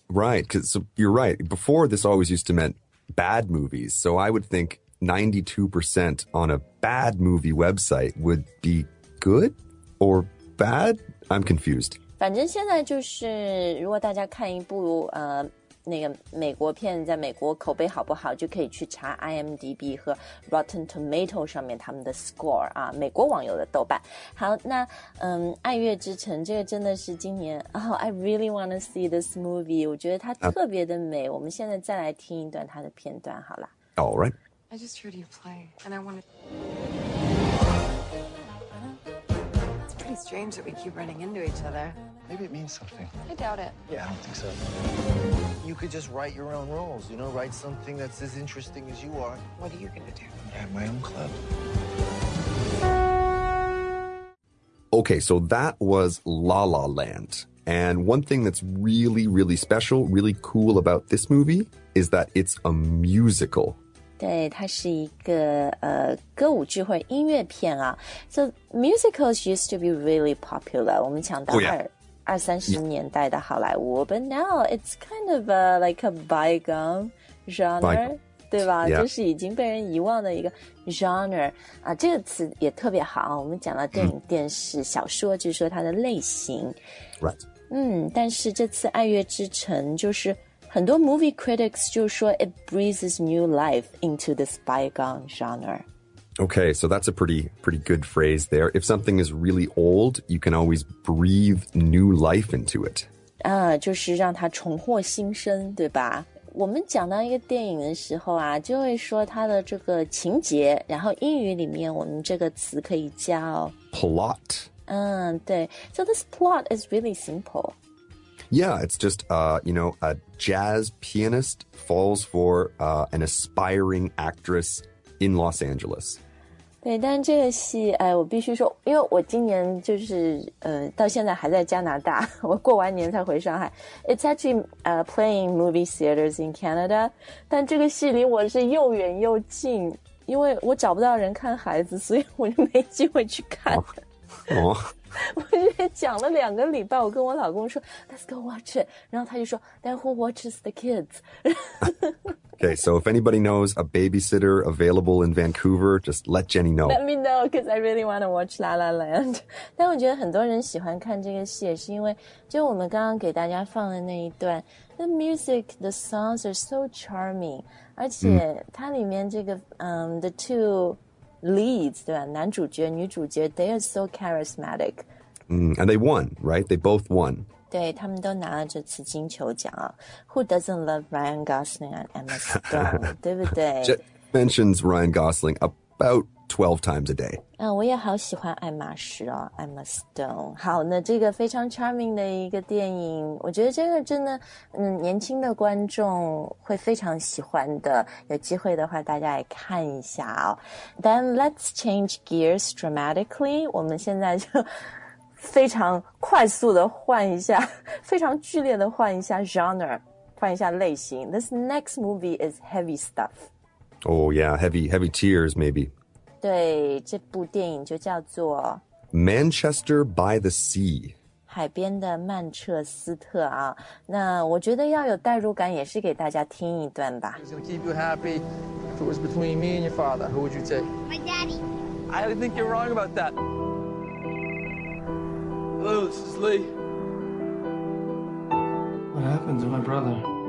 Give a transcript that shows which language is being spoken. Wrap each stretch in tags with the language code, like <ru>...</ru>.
<en>Right, because you're right Before this always used to meant bad movies So I would think 92% on aBad movie website would be good or bad? I'm confused.</en> <zh>反正现在就是如果大家看一部那个美国片在美国口碑好不好就可以去查 IMDb 和 Rotten Tomato 上面他们的 score 啊，美国网友的豆瓣好那爱乐之城这个真的是今年</zh> <en>Oh, I really want to see this movie</en> <zh>我觉得它特别的美我们现在再来听一段它的片段好了</zh> <en>All right. I just heard you play, and I wanted... It's pretty strange that we keep running into each other. Maybe it means something. I doubt it. Yeah, I don't think so. You could just write your own roles, you know? Write something that's as interesting as you are. What are you gonna do? I have my own club. Okay, so that was La La Land. And one thing that's really, really special, really cool about this movie is that it's a musical.</en> <zh>对它是一个歌舞剧或音乐片啊</zh> <en>So musicals used to be really popular</en> <zh>我们讲到二三十年代的好莱坞</zh> <en>But now it's kind of a, like a bygone</en> <zh>genre, 对吧、yeah. 就是已经被人遗忘的一个 genre、啊、这个词也特别好，我们讲到电影、电视、小说，就是说它的类型、</zh> <en>right.</en> <zh>嗯，但是这次爱乐之城就是很多 movie critics 就说</zh> <en>it breathes new life into the bygone genre。 Okay, so that's a pretty good phrase there. If something is really old, you can always breathe new life into it.</en> <zh>啊、就是让它重获新生，对吧？我们讲到一个电影的时候啊，就会说它的这个情节，然后英语里面我们这个词可以叫</zh> <en>plot.</en> <zh>嗯，对。</zh> <en>So this plot is really simple. Yeah, it's just, you know, a jazz pianist falls for an aspiring actress. In Los Angeles.</en> <zh>对，但这个戏，哎，我必须说，因为我今年就是，到现在还在加拿大，我过完年才回上海。</zh> <en>It's actually, playing movie theaters in Canada.</en> <zh>但这个戏离我是又远又近，因为我找不到人看孩子，所以我就没机会去看。哦、我就讲了两个礼拜，我跟我老公说 ，</zh> <en>Let's go watch it.</en> <zh>然后他就说 ，</zh> <en>Then who watches the kids? Okay, so if anybody knows a babysitter available in Vancouver, just let Jenny know. Let me know, because I really want to watch La La Land.</en> <zh>但我觉得很多人喜欢看这个戏也是因为就我们刚刚给大家放的那一段</zh> <en>The music, the songs are so charming.</en> <zh>而且它里面这个、</zh> <en>the two leads,</en> <zh>对吧男主角女主角</zh> <en>they are so charismatic.、 And they won, right? They both won.</en> <zh>对他们都拿了这次金球奖啊</zh> <en>Who doesn't love Ryan Gosling and Emma Stone,</en> <zh>对不对</zh> <en>Jet mentions Ryan Gosling about 12 times a day.、</en> <zh>我也好喜欢艾玛石哦 Emma Stone. 好那这个非常 charming 的一个电影我觉得这个真的、年轻的观众会非常喜欢的有机会的话大家来看一下哦</zh> <en>Then let's change gears dramatically.</en> <zh>我们现在就非常快速的换一下非常剧烈的换一下 genre 换一下类型</zh> <en>This next movie is heavy stuff Oh yeah, heavy tears maybe</en> <zh>对这部电影就叫做</zh> <en>Manchester by the Sea</en> <zh>海边的曼彻斯特啊那我觉得要有代入感也是给大家听一段吧</zh> <en>It would keep you happy if it was between me and your father Who would you take? My daddy I don't think you're wrong about thatHello, this is Lee. What happened to my brother?</en>